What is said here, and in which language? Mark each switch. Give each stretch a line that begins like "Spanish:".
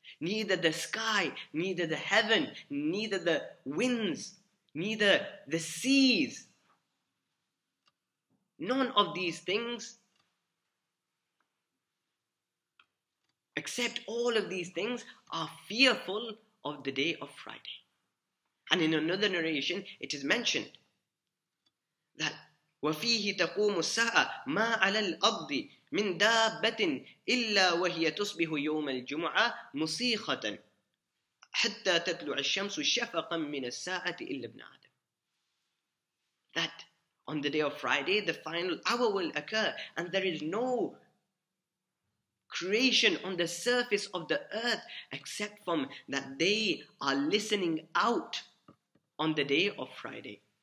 English: Neither the sky, neither the heaven, neither the winds, neither the seas. None of these things, except all of these things, are fearful of the day of Friday. And in another narration, it is mentioned that
Arabic: وَفِيهِ تَقُومُ السَّاعَةَ مَا عَلَى الْأَرْضِ مِنْ دَابَّةٍ إِلَّا وَهِيَ تُصْبِحُ يَوْمَ الْجُمُعَةِ مُصِيخَةً حَتَّى تَتْلُعَ الشَّمْسُ شَفَقًا مِنَ السَّاعَةِ إِلَّا ابْنَ آدَمَ.
English: That on the day of Friday, the final hour will occur and there is no creation on the surface of the earth except from that they are listening out on the day of Friday.